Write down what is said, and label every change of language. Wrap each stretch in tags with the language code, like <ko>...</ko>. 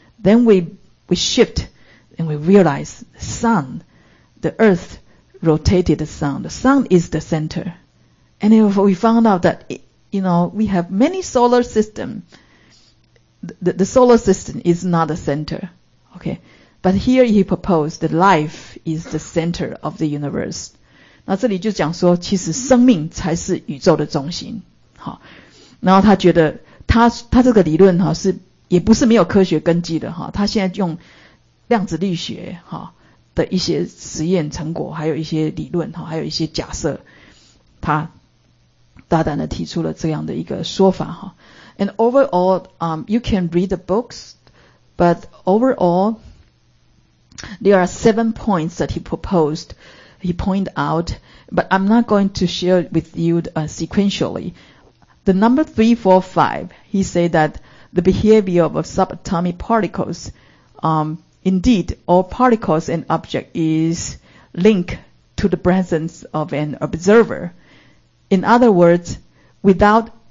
<en>Then we shift and we realize the sun is the center. And if we found out thatYou know, we have many solar system. The solar system is not the center. Okay. But here he proposed that life is the center of the universe.</en> <zh>那这里就讲说其实生命才是宇宙的中心。好。然后他觉得他这个理论齁是也不是没有科学根据的齁。他现在用量子力学齁的一些实验成果，还有一些理论齁，还有一些假设，他大胆地提出了这样的一个说法哈。</zh> <en>And overall, you can read the books, but overall, there are 7 points that he pointed out, but I'm not going to share with you sequentially. The number 3, 4, 5, he said that the behavior of subatomic particles, indeed, all particles and object is linked to the presence of an observer. In other words, without</en>